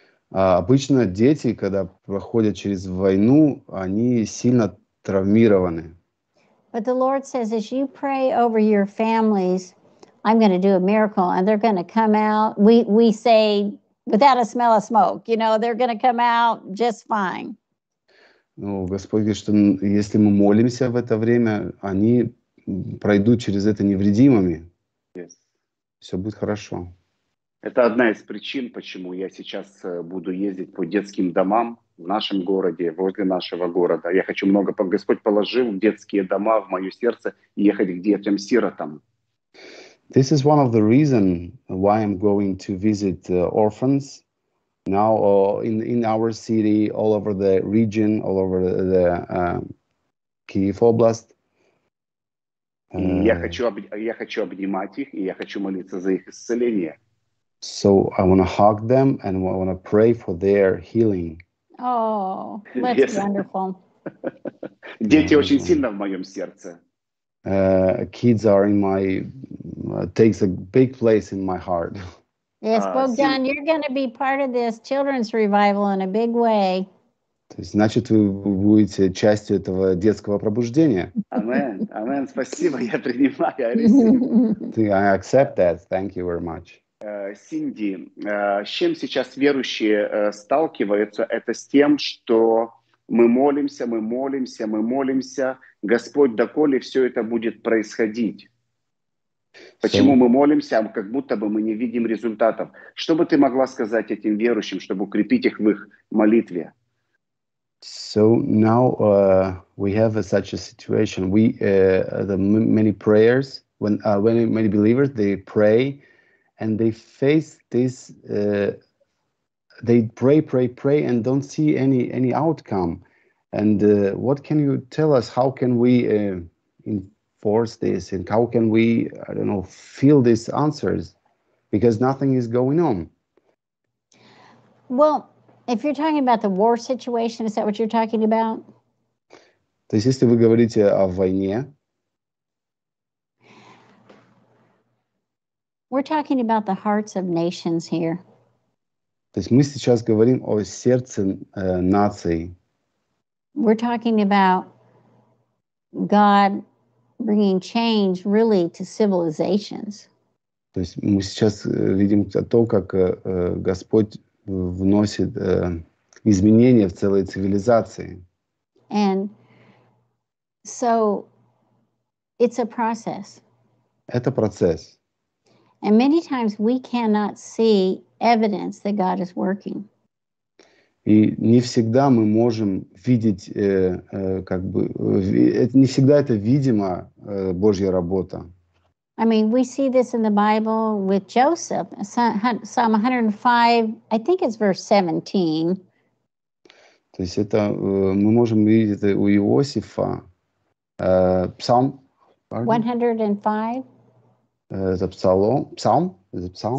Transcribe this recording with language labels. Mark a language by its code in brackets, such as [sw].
[ru] Обычно дети, когда проходят через войну, они сильно травмированы. [en] But the Lord says, as you pray over your families, I'm going to do a miracle, and they're going to come out. We say, without a smell of smoke, you know, they're going to come out just fine. [ru] Ну, Господь говорит, что если мы молимся в это время, они пройдут через это невредимыми. [en] Yes. [ru] Все будет хорошо. Это одна из причин, почему я сейчас буду ездить по детским домам в нашем городе, возле нашего города. Я хочу много... Господь положил детские дома в мое сердце ехать к детям-сиротам. [en] This is one of the reasons why I'm going to visit orphans. Now, in our city, all over the region, all over the Kyiv Oblast. [ru] Я хочу обнимать их, и я хочу молиться за их исцеление. [en] So I want to hug them, and I want to pray for their healing. Oh, that's yes. Wonderful. [ru] Дети очень сильно в моем сердце. [en] Kids are in my takes a big place in my heart. Yes, Bogdan, you're going to be part of this children's revival in a big way. [ru] Значит, вы будете частью этого детского пробуждения. Amen. Amen. Спасибо, я принимаю. [en] I accept that. Thank you very much. [ru] Синди, с чем сейчас верующие сталкиваются, это с тем, что мы молимся. Господь, доколе все это будет происходить? Почему мы молимся, а как будто бы мы не видим результатов? Что бы ты могла сказать этим верующим, чтобы укрепить их в их молитве? [en] So now we have such a situation. We the many prayers when many believers they pray and they face this they pray and don't see any outcome. And what can you tell us? How can we force this, and how can we, I don't know, feel these answers, because nothing is going on. Well, if you're talking about the war situation, is that what you're talking about? [ru] То есть, если вы говорите о войне, [en] we're talking about the hearts of nations here. [ru] То есть мы сейчас говорим о сердце нации. [en] We're talking about God bringing change really to civilizations. [ru] То есть мы сейчас видим о том, как Господь вносит изменения в целые цивилизации. [en] And so it's a process. [ru] Это процесс. [en] And many times we cannot see evidence that God is working. [ru] И не всегда мы можем видеть, как бы, не всегда это видимо, Божья работа. [en] I mean, we see this in the Bible with Joseph, Psalm 105, I think it's verse 17. [ru] То есть это, мы можем видеть это у Иосифа, Псалм, [en] pardon? 105. [ru] Это псалом, псалм, это псалм.